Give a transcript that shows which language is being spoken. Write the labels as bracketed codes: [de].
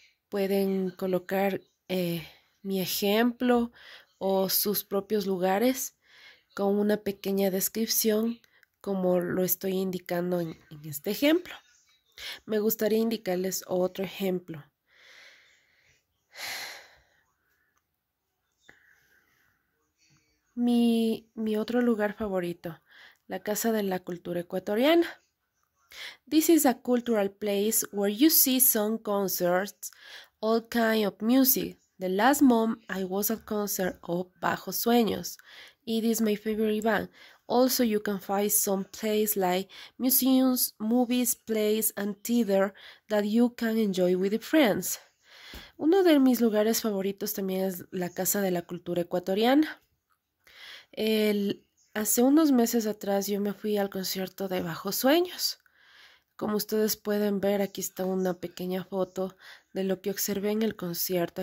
[es] Pueden colocar mi ejemplo o sus propios lugares con una pequeña descripción como lo estoy indicando en este ejemplo. Me gustaría indicarles otro ejemplo. Mi otro lugar favorito, la Casa de la Cultura Ecuatoriana. [en] This is a cultural place where you see some concerts, all kind of music. The last month I was at concert of Bajo Sueños. It is my favorite band. Also, you can find some place like museums, movies, plays, and theater that you can enjoy with your friends. [es] Uno de mis lugares favoritos también es la Casa de la Cultura Ecuatoriana. Hace unos meses atrás yo me fui al concierto de Bajo Sueños. Como ustedes pueden ver, aquí está una pequeña foto de lo que observé en el concierto.